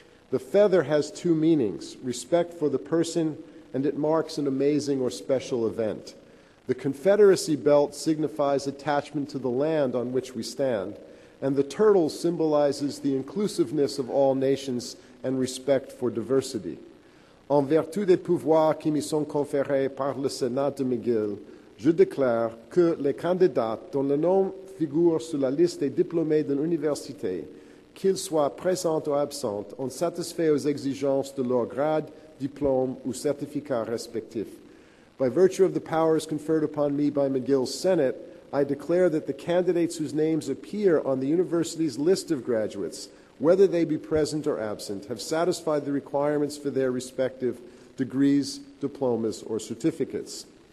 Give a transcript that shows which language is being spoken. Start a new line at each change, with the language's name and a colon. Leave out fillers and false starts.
English: The feather has 2 meanings, respect for the person, and it marks an amazing or special event. The Confederacy belt signifies attachment to the land on which we stand, and the turtle symbolizes the inclusiveness of all nations and respect for diversity.
French: En vertu des pouvoirs qui me sont conférés par le Sénat de McGill, je déclare que les candidats dont le nom figure sur la liste des diplômés de l'université, qu'ils soient présents ou absents, ont satisfait aux exigences de leur grade, diplôme ou certificat respectif.
English: By virtue of the powers conferred upon me by McGill's Senate, I declare that the candidates whose names appear on the university's list of graduates, whether they be present or absent, have satisfied the requirements for their respective degrees, diplomas, or certificates.